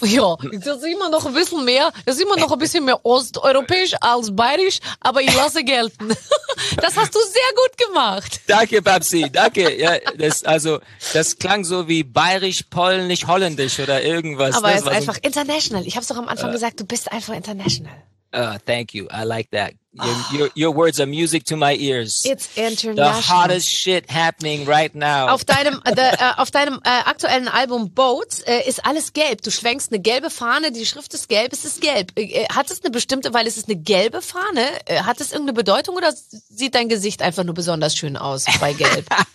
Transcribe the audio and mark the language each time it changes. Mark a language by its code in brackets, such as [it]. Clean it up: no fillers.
[de] Ja, das ist immer noch ein bisschen mehr osteuropäisch als bayerisch, aber ich lasse gelten. Das hast du sehr gut gemacht. Danke, Babsi, danke. Ja, das klang so wie bayerisch, polnisch, holländisch oder irgendwas. Aber es ist einfach international. Ich habe es doch am Anfang gesagt, du bist einfach international. [en] Thank you, I like that. Your words are music to my ears. It's international. The hottest shit happening right now. [de] Auf deinem aktuellen Album Boats ist alles gelb. Du schwenkst eine gelbe Fahne, die Schrift ist gelb, es ist gelb. Hat es irgendeine Bedeutung oder sieht dein Gesicht einfach nur besonders schön aus bei gelb?